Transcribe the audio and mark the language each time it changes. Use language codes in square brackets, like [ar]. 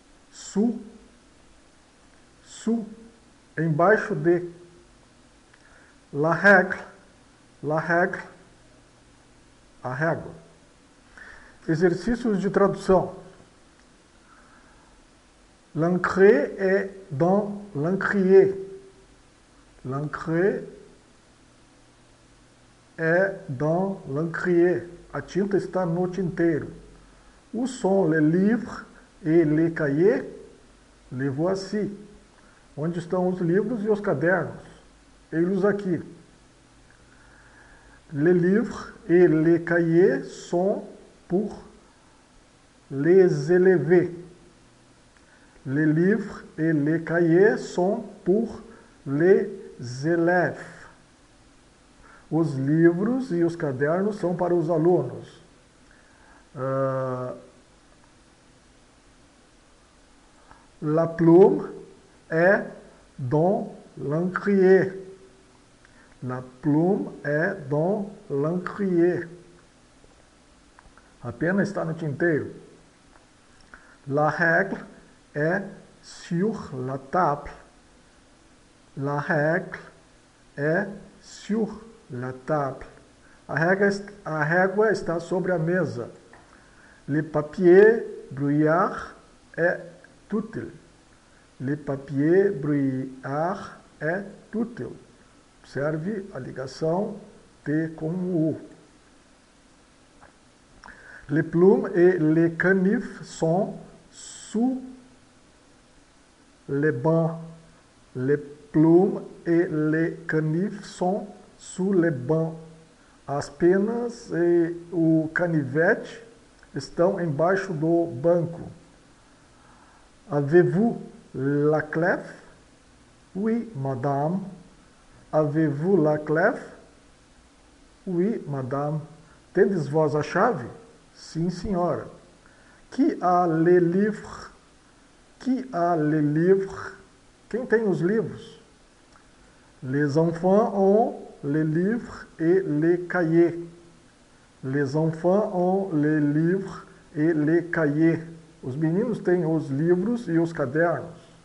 [fr] Su. Su. [pt] Embaixo de. [fr] La règle. La règle. [pt] A régua. Exercícios de tradução. [fr] L'ancré est dans l'encrier. L'ancré é dans l'encrier. [pt] A tinta está no tinteiro. [fr] Où sont les livres et les cahiers? Les voici. [pt] Onde estão os livros e os cadernos? Ei-los aqui. [fr] Les livres et les cahiers sont pour les élèves. Les livres et les cahiers sont pour les élèves. [pt] Os livros e os cadernos são para os alunos. [fr] La plume est dans l'encrier. La plume est dans l'encrier. [pt] A pena está no tinteiro. [fr] La règle est sur la table. La règle est sur la table. [pt] A régua está sobre a mesa. [fr] Le papier brouillard est utile. Le papier brouillard est utile. [pt] Observe a ligação T com U. [fr] Les plumes et les canifs sont sous les bancs. Les plumes et les canifs sont sous les bancs. [pt] As penas e o canivete estão embaixo do banco. [fr] Avez-vous la clef? Oui, madame. Avez-vous la clef? Oui, madame. [pt] Tendes vós a chave? Sim, senhora. [fr] Qui a les livres? Qui a les livres? [pt] Quem tem os livros? [fr] Les enfants ont les livres et les cahiers. Les enfants ont les livres et les cahiers. [pt] Os meninos têm os livros e os cadernos.